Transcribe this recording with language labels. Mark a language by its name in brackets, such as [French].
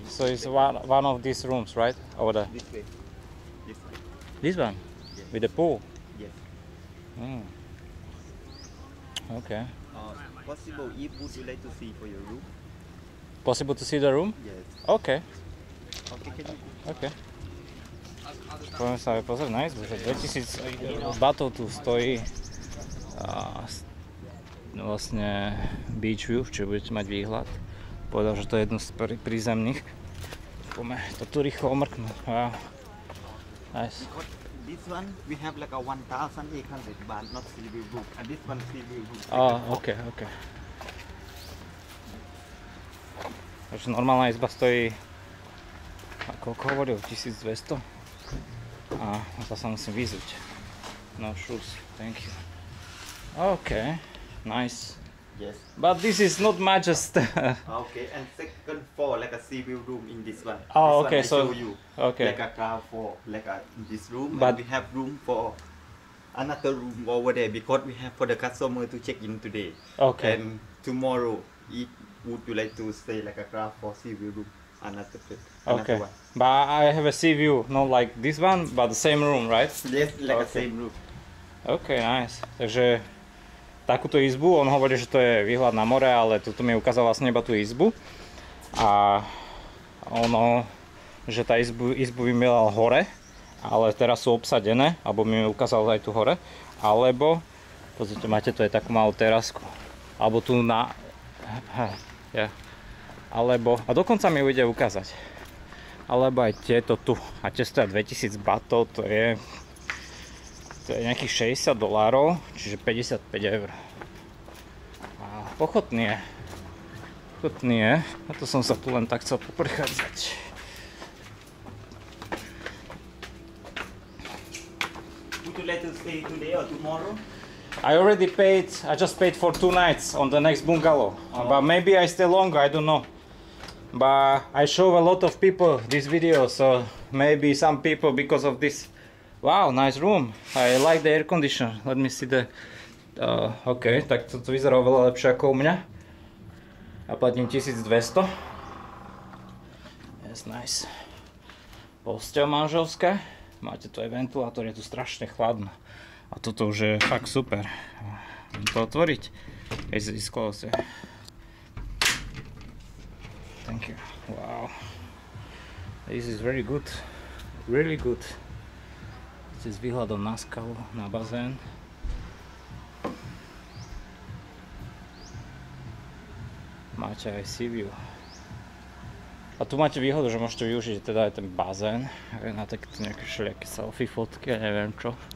[English] So it's one of these rooms, right? Over there. This way. This one? Yes. With the pool? Yes. Mm. Okay. Possible, if would you like to see for your room? Possible to see the room? Yes. Okay. Okay. [Slovak] Poďme sa aj pozrieť, nice, že 2000 batov tu stojí vlastne beach view, čiže budete mať výhľad. Povedal, že to je jedno z prízemných. Poďme to tu rýchlo omrknúť. [English] Nice. This one, we have like a 1,800 baht, not sea view room. And this one, sea view room. Okay. [Slovak] Takže normálna izba stojí, koľko hovoril, 1200? A to sa musím vyzuť. [English] No shoes, thank you. Okay, nice. Yes. But this is not much as... Okay, and second floor, like a sea view room in this one. Oh, this okay, one I so... show you. Okay. Like a car for, like a, in this room. But and we have room for another room over there because we have for the customer to check in today. Okay. And tomorrow, if would you like to stay like a car for sea view room? Another one. But I have a sea view, not like this one, but the same room, right? Yes, like okay. The same room. Okay, nice. [Slovak] Takže takúto izbu, on hovorí, že to je výhľad na more, ale tuto mi ukázal vlastne iba tú izbu. A ono, že tá izbu by mal hore, ale teraz sú obsadené, alebo mi ukázal aj tu hore. Alebo, pozrite, máte tu aj takú malú terasku. Alebo tu na... Yeah. Alebo, a dokonca mi ujde ukázať. Alebo aj tieto tu. A tie stoja 2000 batov, to je nejakých 60 dolárov, čiže 55 eur. A pochotnie. A to som sa tu len tak chcel poprchádzať. [English] Would you let us stay today or tomorrow? I just paid for two nights on the next bungalow. Oh. But maybe I stay longer, I don't know. But I show a lot of people this video, so maybe some people because of this. Wow, nice room. I like the air condition. Let me see the... [Slovak] OK, tak toto vyzerá oveľa lepšie ako u mňa. A platím 1200. [English] That's nice. [Slovak] Posteľ manželská. Máte tu aj ventilátor, je tu strašne chladno. A toto už je fakt super. Môžem to otvoriť. [English] Is this close? Thank you. Wow. This is very good. Really good. This is [Slovak] výhľadom na skalu, na bazén. Máte aj sea view. A tu máte výhodu, že môžete využiť teda aj ten bazén. Aj na takéto nejaké šelijaké selfie fotky, ja neviem čo.